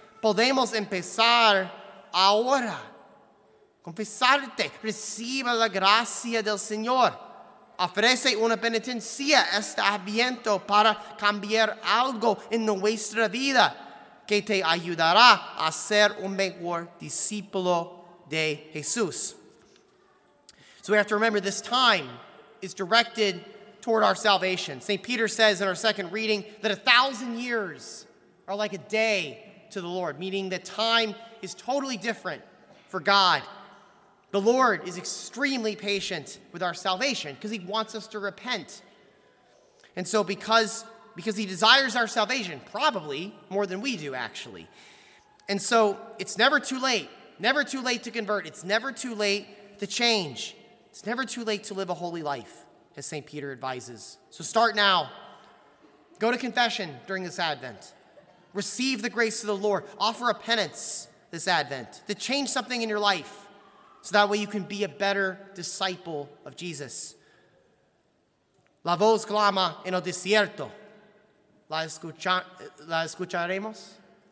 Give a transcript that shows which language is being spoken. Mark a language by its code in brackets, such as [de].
[es] Podemos empezar ahora. Confesarte, recibe la gracia del Señor. Ofrece una penitencia este Adviento para cambiar algo en nuestra vida que te ayudará a ser un mejor discípulo de Jesús. [en] So we have to remember this time is directed toward our salvation. St. Peter says in our second reading that 1,000 years are like a day to the Lord, meaning that time is totally different for God. The Lord is extremely patient with our salvation because he wants us to repent. And so because he desires our salvation, probably more than we do, actually. And so it's never too late. Never too late to convert. It's never too late to change. It's never too late to live a holy life, as St. Peter advises. So start now. Go to confession during this Advent. Receive the grace of the Lord. Offer a penance this Advent to change something in your life so that way you can be a better disciple of Jesus. [es] La voz clama en el desierto. La escucharemos.